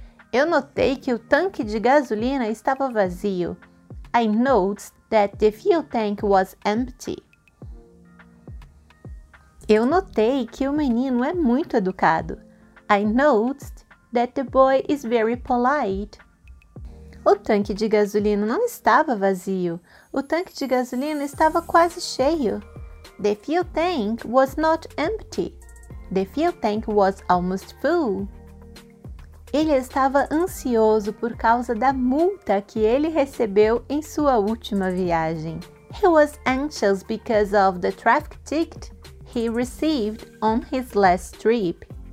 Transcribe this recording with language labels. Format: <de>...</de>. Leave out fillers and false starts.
<pt>Eu notei que o tanque de gasolina estava vazio.</pt> <en>I noticed that the fuel tank was empty.</en> <pt>Eu notei que o menino é muito educado.</pt> <en>I noticed that the boy is very polite.</en> <pt>O tanque de gasolina não estava vazio. O tanque de gasolina estava quase cheio.</pt> <en>The fuel tank was not empty. The fuel tank was almost full.</en> <pt>Ele estava ansioso por causa da multa que ele recebeu em sua última viagem.</pt> <en>He was anxious because of the traffic ticket he received on his last trip.</en>